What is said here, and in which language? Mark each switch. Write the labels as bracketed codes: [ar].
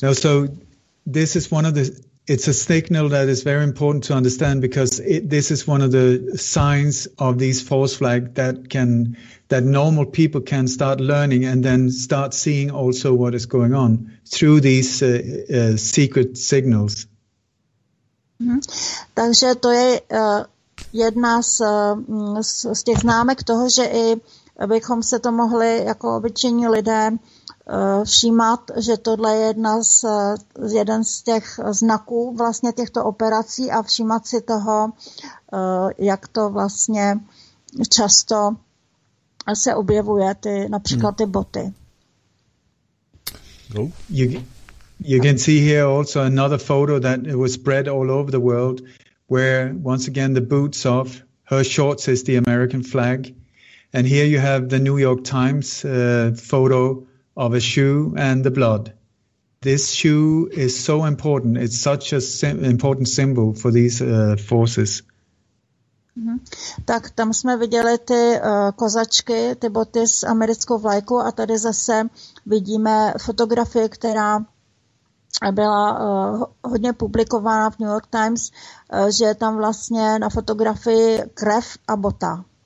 [en] No, so this is one of the, it's a signal that is very important to understand, because this is one of the signs of these false flag that normal people can start learning and then start seeing also what is going on through these secret signals. Mm-hmm. [cs] Takže to je jedna z těch známek toho, že i bychom se to mohli jako obyčejní lidé všímat, že tohle je jedna z, jeden z těch znaků vlastně těchto operací a všímat si toho, jak to vlastně často se objevuje ty, například ty boty. [en] You can see here also another photo that it was spread all over the world where once again the boots off, her shorts is the American flag. And here you have the New York Times photo of a shoe and the blood. This shoe is so important. It's such a important symbol for these forces. [cs] Tak tam jsme viděli ty kozačky, ty boty s americkou vlajkou a tady zase vidíme fotografii, která byla hodně publikována v New York Times, že je tam vlastně na fotografii krev a bota.